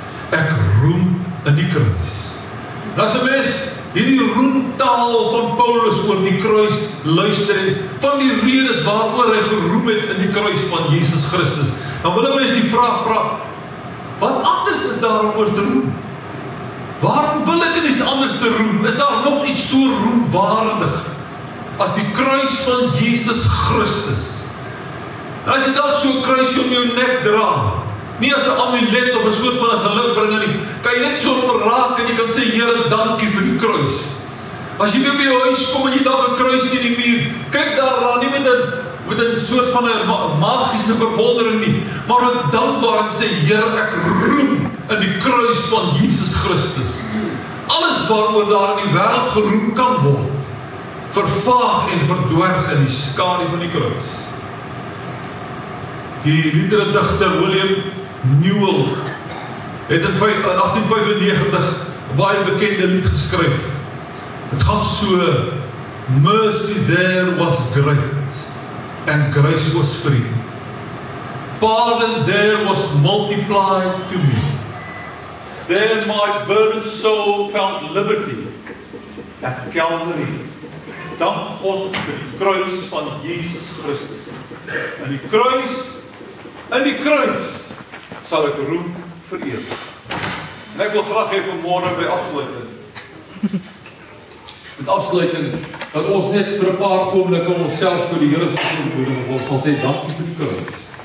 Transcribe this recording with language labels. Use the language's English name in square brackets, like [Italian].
[Afrikaans] Ek roem in die kruis. As 'n mens hierdie roemtaal van Paulus oor die kruis luister en van die redes waaroor hy geroem het in die kruis van Jesus Christus, dan wil 'n mens die vraag vra: wat anders is daar om oor te roem? Waarom wil ek iets anders te roem? Is daar nog iets so roemwaardig as die kruis van Jesus Christus? En as jy dalk so 'n kruisje om jou nek dra, nie as 'n amulet of 'n soort van 'n gelukbringer nie, kan jy net so raak en jy kan sê: Here, dankie vir die kruis. As jy by jou huis kom en jy dalk 'n kruis teen die muur, kyk daarna nie met 'n soort van 'n magiese bewondering nie, maar met dankbaar en sê: Here, ek roem in die kruis van Jesus Christus. Alles waaroor daar in die wêreld geroem kan word, vervaag en verdwerg in die skadu van die kruis. Die literêre digter William Newell het in 1895 'n baie bekende lied geskryf. Dit gaan so: [English] Mercy there was great, and grace was free. Pardon there was multiplied to me. There my burdened soul found liberty at Calvary. [Afrikaans] Dank God vir die kruis van Jesus Christus. En die kruis, in die kruis sal ek roem vir ewig. En ek wil graag hê vanmôre by afsluiting, met afsluiting, dat ons net vir 'n paar oomblikke onsself vir die Here sal verhoog, en ons sal sê dankie vir die kruis.